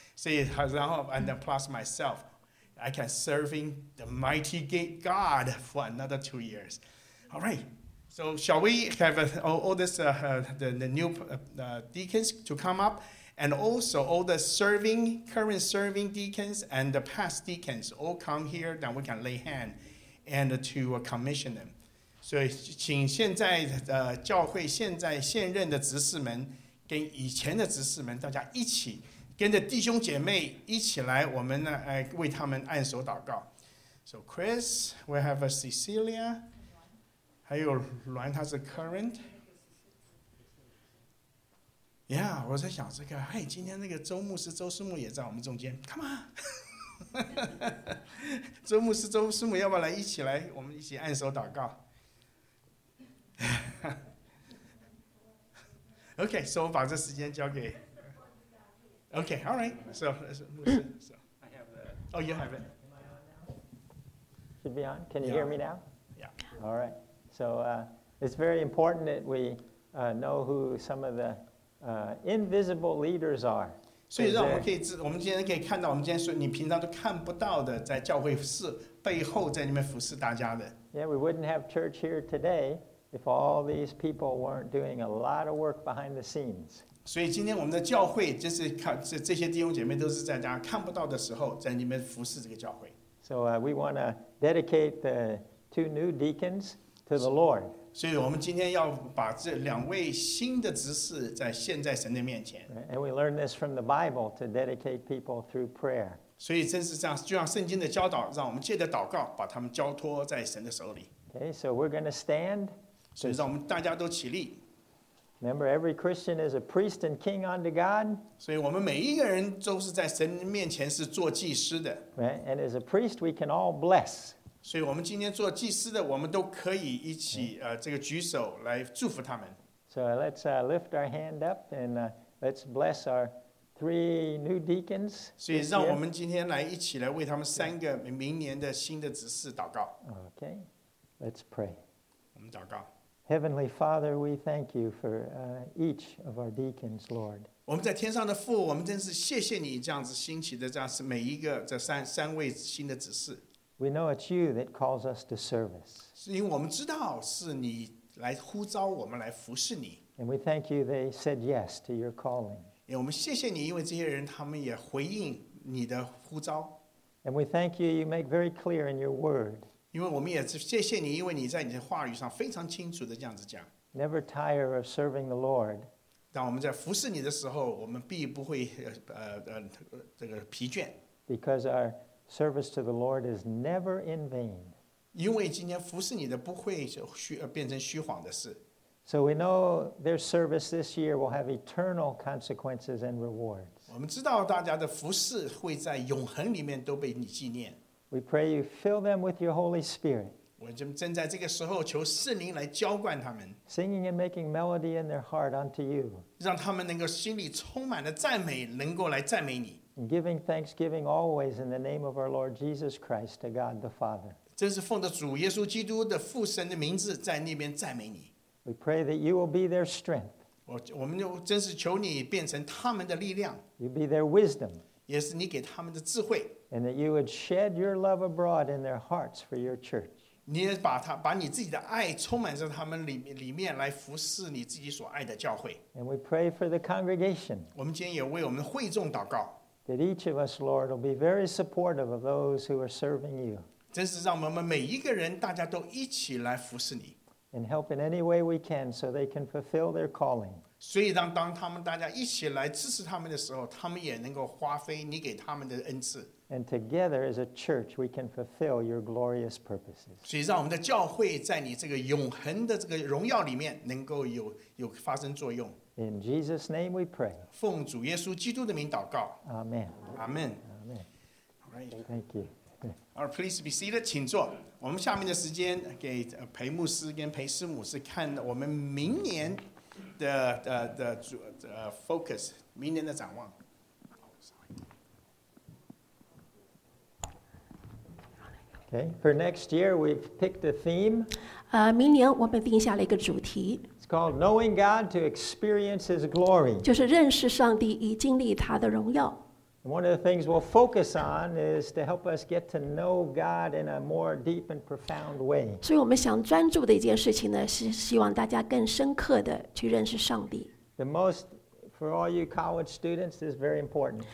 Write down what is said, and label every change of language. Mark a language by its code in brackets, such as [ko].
[zh] 所以然后 [en] and then plus myself, I can serving the mighty God for another 2 years. All right, so shall we have all this, the new deacons to come up? And also all the serving, current serving deacons and the past deacons all come here that we can lay hand and to commission them. [zh] So, 请现在的教会现在现任的执事们跟以前的执事们大家一起跟着弟兄姐妹一起来，我们呢，为他们按手祷告。 [en] So Chris, we have a Cecilia, [zh] 还有栾，他是 [en] Current。 [zh] Yeah, 我在想这个，哎，今天那个周牧师、周师母也在我们中间 ， [en] Come on， [zh] 周牧师、周师母要不要来一起来，我们一起按手祷告。 OK， 所以我把这时间交给。 [en] OK, all right. So, I have the. Oh, you have it. Should be on. Can you hear me now? Yeah. All right. So, it's very important that we know who some of the invisible leaders are. [zh] 所以让我们可以，我们今天可以看到，我们今天说你平常都看不到的，在教会室背后，在里面服侍大家的。 [en] Yeah, we wouldn't have church here today if all these people weren't doing a lot of work behind the scenes. [zh] 所以今天我们的教会就是看这些弟兄姐妹都是在大家看不到的时候在里面服侍这个教会。 [en] So we want to dedicate the two new deacons to the Lord. [zh] 所以我们今天要把这两位新的执事在献在神的面前。 [en] And we learn this from the Bible to dedicate people through prayer. [zh] 所以真是这样，就像圣经的教导，让我们借着祷告把他们交托在神的手里。 [en] Okay, so we're going to stand. [zh] 所以让我们大家都起立。 [en] Remember, every Christian is a priest and king unto God. [zh] 所以我们每一个人都是在神面前是做祭司的。 [en] Right? And as a priest, we can all bless. [zh] 所以我们今天做祭司的，我们都可以一起这个举手来祝福他们。 [en] So let's lift our hand up and let's bless our three new deacons. [zh] 所以让我们今天来一起来为他们三个明年的新的执事祷告。 [en] Okay, let's pray. [zh] 我们祷告。 [en] Heavenly Father, we thank you for each of our deacons, Lord. [zh] 我们在天上的父，我们真是谢谢你这样子兴起的这样是每一个这三位新的执事。 [en] We know it's you that calls us to service. [zh] 是因为我们知道是你来呼召我们来服侍你。 [en] And we thank you they said yes to your calling. [zh] 因为我们谢谢你，因为这些人他们也回应你的呼召。 [en] And we thank you you make very clear in your word. [zh] 因为我们也谢谢你，因为你在你的话语上非常清楚的这样子讲。 [en] Never tire of serving the Lord。 [zh] 当我们在服侍你的时候，我们必不会这个疲倦。 [en] Because our service to the Lord is never in vain。 [zh] 因为今天服侍你的不会变成虚晃的事。 [en] So we know their service this year will have eternal consequences and rewards。 [zh] 我们知道大家的服侍会在永恒里面都被你纪念。 [en] We pray you fill them with your Holy Spirit. [zh] 我正在这个时候求圣灵来浇灌他们。 [en] Singing and making melody in their heart unto you. [zh] 让他们能够心里充满了赞美，能够来赞美你。 [en] And giving thanksgiving always in the name of our Lord Jesus Christ to God the Father. [zh] 真是奉着主耶稣基督的父神的名字在那边赞美你。 [en] We pray that you will be their strength. [zh] 我们真是求你变成他们的力量。 [en] You be their wisdom. [zh] 也是你给他们的智慧。 [en] And that you would shed your love abroad in their hearts for your church. [zh] 你也把你自己的爱充满在他们里面来服侍你自己所爱的教会。 [en] And we pray for the congregation. [zh] 我们今天也为我们会众祷告。 [en] That each of us, Lord, will be very supportive of those who are serving you. [zh] 真是让我们每一个人大家都一起来服侍你。 [en] And help in any way we can so they can fulfill their calling. [zh] 所以当他们大家一起来支持他们的时候，他们也能够发挥你给他们的恩赐。 [en] And together as a church, we can fulfill your glorious purposes. [zh] 所以让我们的教会在你这个永恒的这个荣耀里面能够有发生作用。 [en] In Jesus' name we pray. [zh] 奉主耶稣基督的名祷告。 [en] Amen. Amen. Amen. All right. Thank you. All right, please be seated. [zh] 请坐。我们下面的时间给裴牧师跟裴师母是看我们明年的 focus， 明年的展望。 [en] Okay. For next year, we've picked a theme. [zh] 明年我们定下了一个主题。 [en] It's called Knowing God to Experience His Glory. [zh] 就是认识上帝以经历他的荣耀。 [en] And one of the things we'll focus on is to help us get to know God in a more deep and profound way. [zh] 所以我们想专注的一件事情呢，是希望大家更深刻的去认识上帝。 [en] The most For all you college students, this is very important.